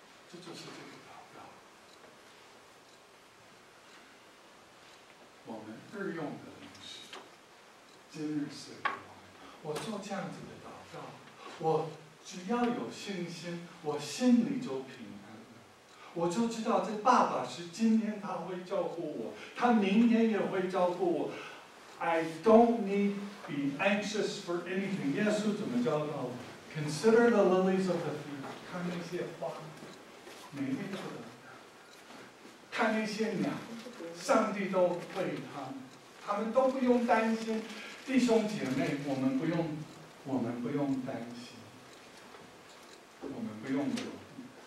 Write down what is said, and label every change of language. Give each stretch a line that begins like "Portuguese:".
Chinese: 这就是这个我们日用的零食，今日赐给我们。我做这样子的祷告，我只要有信心，我心里就平安了。我就知道这爸爸是今天他会照顾我，他明天也会照顾我。
English: I don't need be anxious for anything。
Chinese: 耶稣怎么教导我 ？
English: Consider the lilies of the field，
Chinese: 看那些花，每一朵的，看那些鸟。上帝都为他们，他们都不用担心。弟兄姐妹，我们不用，我们不用担心，我们不用忧虑。